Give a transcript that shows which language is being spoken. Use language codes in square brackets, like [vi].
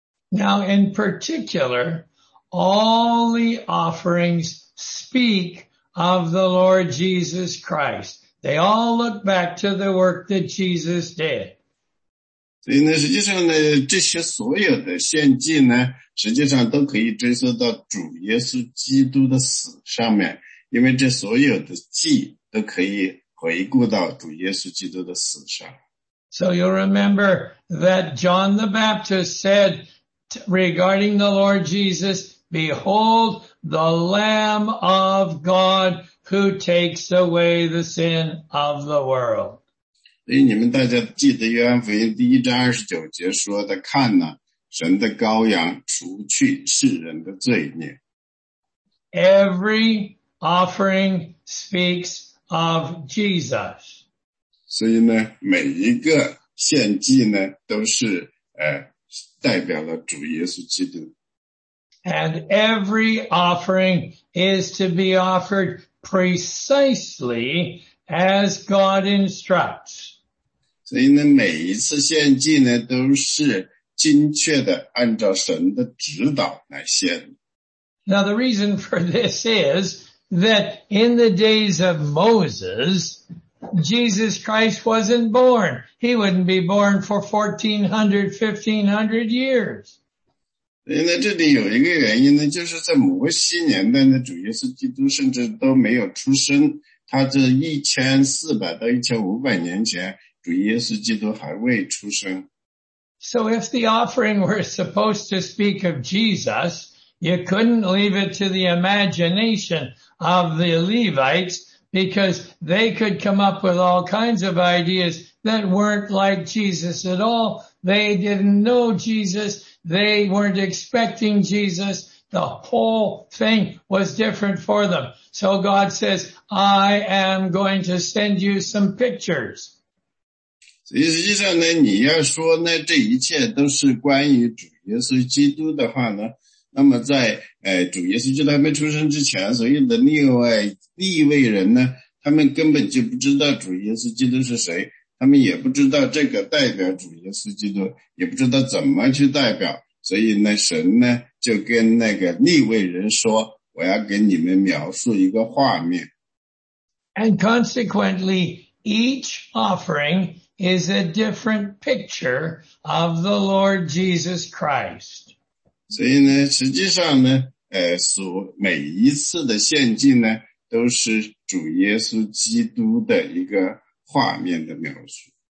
[en] Now in particular, all the offerings speak of the Lord Jesus Christ. They all look back to the work that Jesus did. [zh] 所以呢，实际上呢，这些所有的献祭呢，实际上都可以追溯到主耶稣基督的死上面，因为这所有的祭都可以回顾到主耶稣基督的死上。 [en] So you'll remember that John the Baptist said regarding the Lord Jesus, "Behold, the Lamb of God who takes away the sin of the world." [zh] 所以你们大家记得约翰福音第一章二十九节说的，看呢，神的羔羊除去世人的罪孽。 [en] Every offering speaks of Jesus. [zh] 所以呢，每一个献祭呢，都是代表了主耶稣基督。 [en] And every offering is to be offered precisely as God instructs. [zh] 所以呢，每一次献祭呢，都是精确的按照神的指导来献。 [en] Now the reason for this is that in the days of Moses, Jesus Christ wasn't born. He wouldn't be born for 1400, 1500 years. [zh] 所以呢，这里有一个原因呢，就是在摩西年代呢，主耶稣基督甚至都没有出生。他这1400到1500年前主耶稣基督还未出生。 [en] So if the offering were supposed to speak of Jesus, you couldn't leave it to the imagination of the Levites because they could come up with all kinds of ideas that weren't like Jesus at all. They didn't know Jesus. They weren't expecting Jesus. The whole thing was different for them. So God says, I am going to send you some pictures. [zh] 所以实际上呢，你要说呢，这一切都是关于主耶稣基督的话呢，那么在主耶稣基督还没出生之前，所有的立位人呢，他们根本就不知道主耶稣基督是谁，他们也不知道这个代表主耶稣基督，也不知道怎么去代表。所以呢，神呢就跟那个立位人说，我要给你们描述一个画面。 [en] And consequently, each offering. Is a different picture of the Lord Jesus Christ. [zh] 所以呢，实际上呢，每一次的献祭呢，都是主耶稣基督的一个画面的描述。